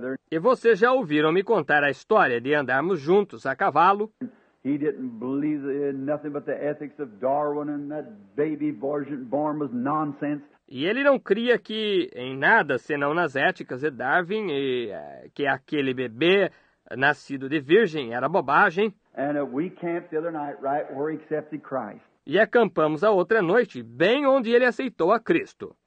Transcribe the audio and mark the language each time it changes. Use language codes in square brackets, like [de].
[pt] E vocês já ouviram me contar a história de andarmos juntos a cavalo. [en] He didn't believe in nothing but the ethics of Darwin and that baby born was nonsense. [pt] E ele não cria que em nada senão nas éticas de Darwin e que aquele bebê nascido de virgem era bobagem. [en] And we camped the other night right where he accepted Christ. [pt] E acampamos a outra noite bem onde ele aceitou a Cristo.